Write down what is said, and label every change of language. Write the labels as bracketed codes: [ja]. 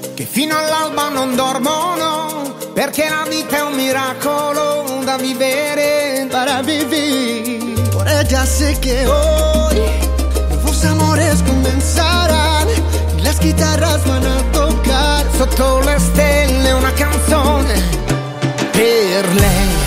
[it] Fino all'alba non dormono, perché la vita è un miracolo da vivere, [es] para vivir. Por ella sé que hoy los amores comenzarán, las guitarras van a tocar. [it] Sotto le stelle una canzone per lei.